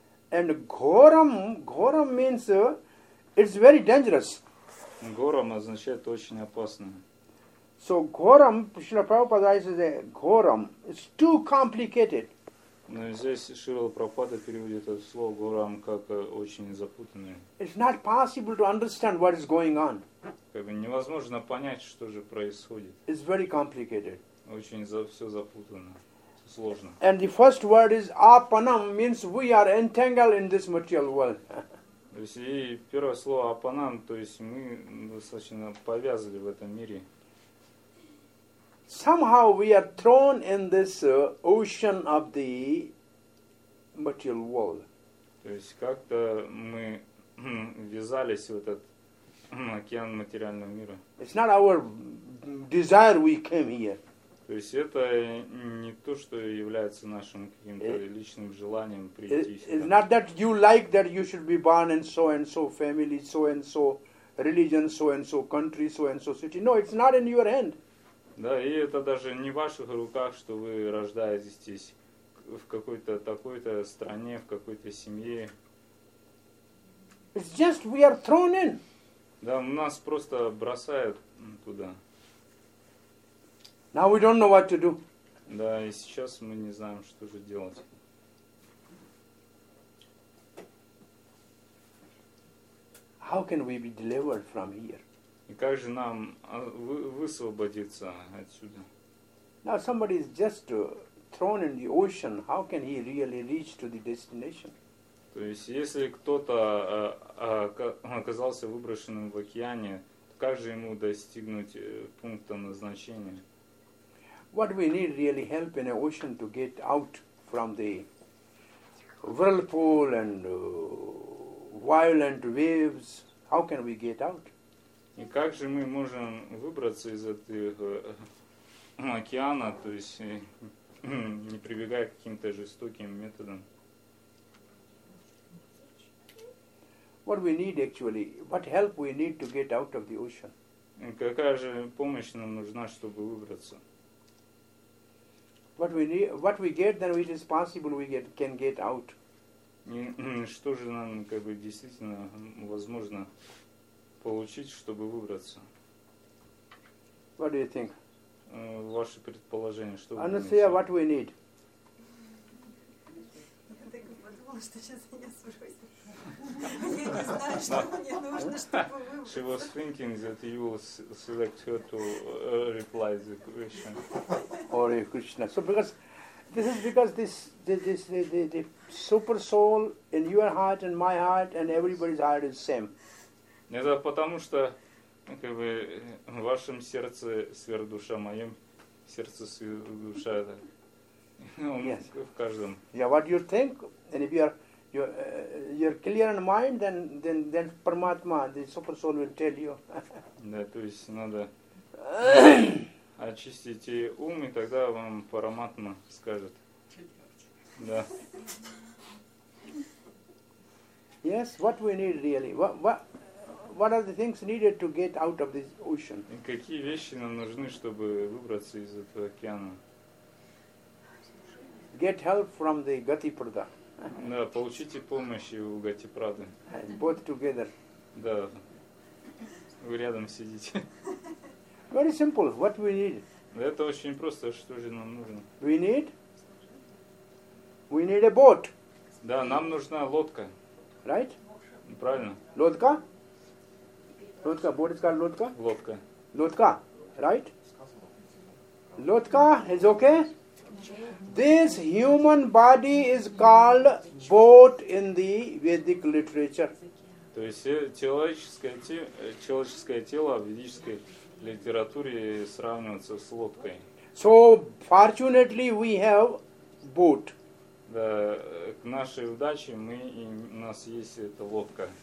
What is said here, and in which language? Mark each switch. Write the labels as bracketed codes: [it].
[en] And ghoram, ghoram means it's very dangerous. [ru] Ghoram означает очень опасное. [en] So ghoram, Шрила Прабхупада says ghoram, it's too complicated. [ru] Но здесь Шрила Прабхупада переводит это слово ghoram как очень запутанное. [en] It's not possible to understand what is going on. [ru] Как бы невозможно понять, что же происходит. [en] It's very complicated. [ru] Очень все запутанное. [en] And the first word is apanam, means we are entangled in this material world. [ru] То есть и первое слово апанам, то есть мы достаточно повязали в этом мире. [en] Somehow we are thrown in this ocean of the material world. [ru] То есть как-то мы ввязались в этот океан материального мира. [en] It's not our desire we came here. [ru] То есть это не то, что является нашим каким-то личным желанием прийти сюда. [en] It's not that you like that you should be born in so and so family, so and so religion, so and so country, so and so city. No, it's not in your hand. [ru] Да, и это даже не в ваших руках, что вы рождаетесь в какой-то такой-то стране, в какой-то семье. [en] It's just we are thrown in. [ru] Да, нас просто бросают туда. [en] Now we don't know what to do. [ru] Да, и сейчас мы не знаем, что же делать. [en] How can we be delivered from here? [ru] И как же нам высвободиться отсюда? [en] Now somebody is just thrown in the ocean. How can he really reach to the destination? [ru] То есть, если кто-то оказался выброшенным в океане, как же ему достигнуть пункта назначения? [en] What we need really help in an ocean to get out from the whirlpool and violent waves. How can we get out? [ru] И как же мы можем выбраться из этого океана, то есть не прибегая к каким-то жестоким методам. [en] What we need actually, what help we need to get out of the ocean? [ru] Какая же помощь нам нужна, чтобы выбраться? [en] What we need, what we get, then it is possible we get, can get out. [ru] Что же нам как бы действительно возможно получить, чтобы выбраться? [en] What do you think? [ru] Ваше предположение, что вы думаете? [en] Anastasia, what we need? [ru] Я так и подумала, что сейчас меня спросят. Я не знаю, что мне нужно, чтобы выбраться. [en] She was thinking that you will select her to reply the question. Hare Krishna. So because this is because this the super soul in your heart and my heart and everybody's heart is same. [ru] Это потому что как бы в вашем сердце сверхдуша, в моем сердце сверхдуша, да. [en] Yes. [ru] В каждом. [en] Yeah, what you think, and if you're clear in mind, then Paramatma, the super soul will tell you. [ru] Да, то есть надо очистить ум, и тогда вам Параматма скажет. Да. [en] Yes, what we need really? What are the things needed to get out of this ocean? [ru] И какие вещи нам нужны, чтобы выбраться из этого океана? [en] Get help from the Gatiprada. [ru] Да, получите помощь у Гатипрады. [en] Both together. [ru] Да. Вы рядом сидите. [en] Very simple. What we need? [ru] Это очень просто. Что же нам нужно? [en] We need a boat. [ru] Да, нам нужна лодка. [en] Right? [ru] Правильно. Лодка? [en] Лодка, boat is called лодка? [ru] Лодка. [en] Лодка, right? Лодка is okay? This human body is called boat in the Vedic literature. [ru] То есть человеческое тело в ведической литературе сравнивается с лодкой. [en] So, fortunately, we have boat. [ru] Да, к нашей удаче мы и у нас есть эта лодка.